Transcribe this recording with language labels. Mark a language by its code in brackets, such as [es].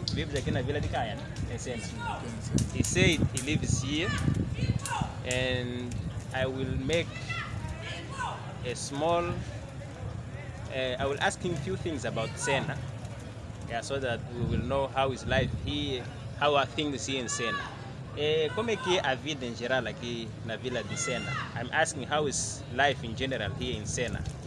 [en] He lives here in Vila de Caia, in Sena. He said he lives here, and I will make a small I will ask him a few things about Sena, yeah, so that we will know how is life here, how are things here in Sena. [pt] Como é que é a vida em geral aqui na Vila de Sena? [en] I'm asking how is life in general here in Sena.